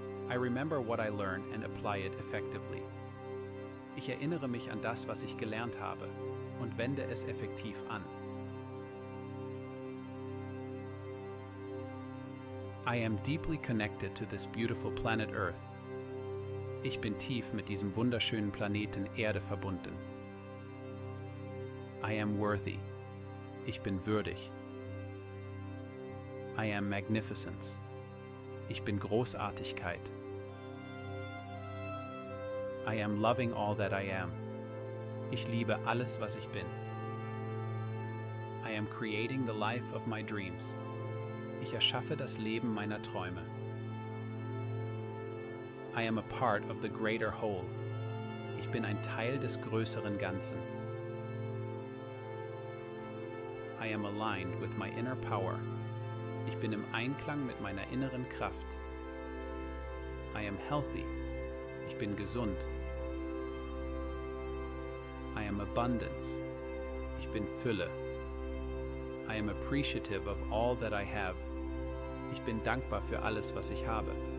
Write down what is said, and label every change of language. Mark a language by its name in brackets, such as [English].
[English] I remember what I learn and apply it effectively. [German] Ich erinnere mich an das, was ich gelernt habe und wende es effektiv an. [English] I am deeply connected to this beautiful planet Earth. [German] Ich bin tief mit diesem wunderschönen Planeten Erde verbunden. [English] I am worthy. [German] Ich bin würdig. [English] I am magnificence. [German] Ich bin Großartigkeit. [English] I am loving all that I am. [German] Ich liebe alles, was ich bin. [English] I am creating the life of my dreams. [German] Ich erschaffe das Leben meiner Träume. [English] I am a part of the greater whole. [German] Ich bin ein Teil des größeren Ganzen. [English] I am aligned with my inner power. [German] Ich bin im Einklang mit meiner inneren Kraft. [English] I am healthy. [German] Ich bin gesund. [English] I am abundance. [German] Ich bin Fülle. [English] I am appreciative of all that I have. [German] Ich bin dankbar für alles, was ich habe.